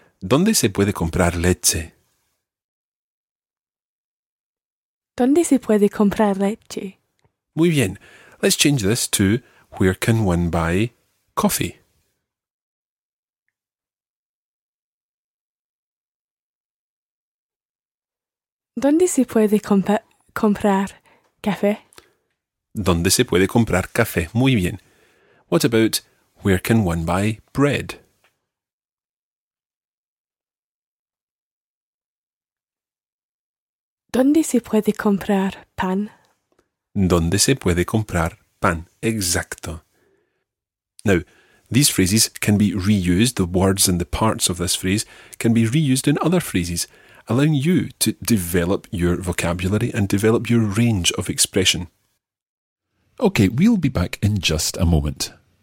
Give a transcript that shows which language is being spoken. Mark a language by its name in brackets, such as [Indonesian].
[Spanish] ¿Dónde se puede comprar leche? ¿Dónde se puede comprar leche? Muy bien. [English] Let's change this to, where can one buy coffee? [Spanish] ¿Dónde se puede comprar café? ¿Dónde se puede comprar café? Muy bien. [English] What about, where can one buy bread? [Spanish] ¿Dónde se puede comprar pan? ¿Dónde se puede comprar pan? Pan. Exacto. [English] Now, these phrases can be reused, the words and the parts of this phrase can be reused in other phrases, allowing you to develop your vocabulary and develop your range of expression. Okay, we'll be back in just a moment.